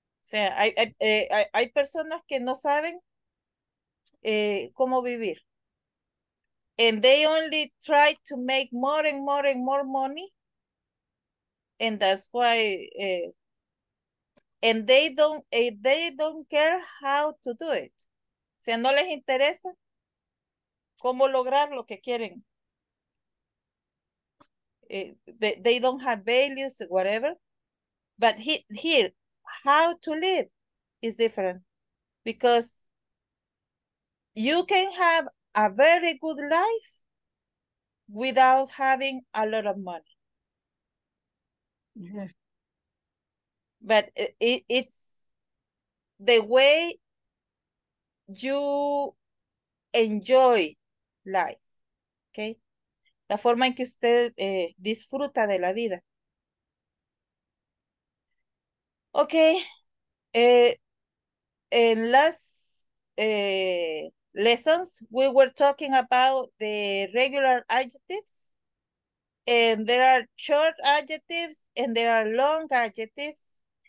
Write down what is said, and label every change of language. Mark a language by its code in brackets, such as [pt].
[es] O sea, hay personas que no saben cómo vivir. [en] And they only try to make more and more and more money. And that's why, and they don't care how to do it. [es] O sea, no les interesa cómo lograr lo que quieren. [en] They don't have values, whatever. But here, how to live is different. Because you can have a very good life without having a lot of money. Yes. But it's the way you enjoy life, okay? [es] La forma en que usted disfruta de la vida. [en] Okay. In last lessons, we were talking about the regular adjectives, and there are short adjectives and there are long adjectives.